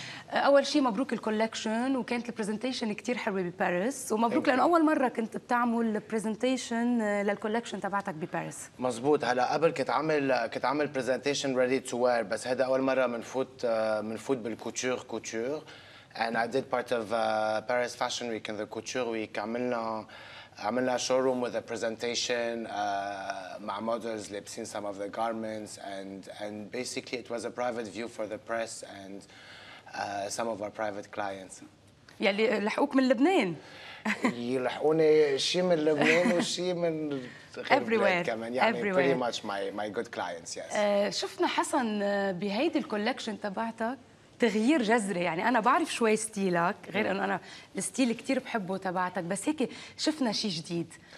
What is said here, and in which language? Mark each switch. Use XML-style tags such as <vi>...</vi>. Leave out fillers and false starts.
<ar>اول شيء مبروك الكولكشن، وكانت البرزنتيشن كثير حلوه بباريس، ومبروك لانه اول مره كنت بتعمل برزنتيشن للكولكشن تبعتك بباريس. مزبوط. هلا قبل كنت عامل برزنتيشن ريدي تو وير، بس هذا اول مره منفوت بالكوتشور.</ar> <en>And I did part of Paris Fashion Week and the Couture Week.</en> <ar>عملنا</ar> <en>showroom with a presentation</en> <ar>مع</ar> <en>models</en> <ar>لابسين</ar> <en>some of the garments and basically it was a private view for the press and some of our private clients.</en> <ar>يلي لحقوك من لبنان. يلحقوني شي من لبنان وشي من غير لبنان كمان. يعني</ar> <en>everywhere. Pretty much my good clients, yes.</en> <ar>شفنا حسن بهيدي الكولكشن تبعتك تغيير جذري، يعني انا بعرف شوي ستيلك غير انه انا الستيل كثير بحبه تبعتك، بس هيك شفنا شيء جديد.</ar>